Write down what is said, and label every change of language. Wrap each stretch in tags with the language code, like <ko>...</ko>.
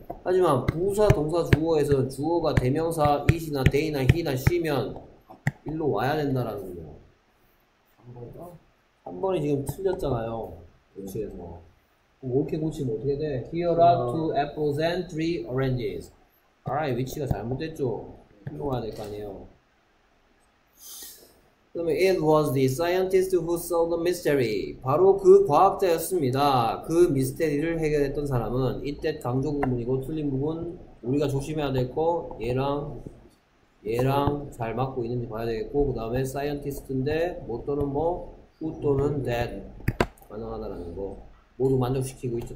<ko>하지만 부사 동사 주어에서는 주어가 대명사 is나 they나 he나 she면 일로 와야 된다라는 거예요. 한 번이 지금 틀렸잖아요. 도시에서. 그럼 이렇게 고치면 어떻게 돼?</ko> <en>Here are two apples and three oranges.</en> <ko>아, 이 위치가 잘못됐죠. 이동해야 될 거 아니에요. 그러면</ko> <en>it was the scientist who solved the mystery.</en> <ko>바로 그 과학자였습니다. 그 미스테리를 해결했던 사람은 이때 강조 부분이고 틀린 부분 우리가 조심해야 될 거 얘랑 잘 맞고 있는지 봐야 되겠고 그 다음에 scientist인데 뭐 또는 뭐 who 또는 that 가능하다라는 거 모두 만족시키고 있죠.</ko>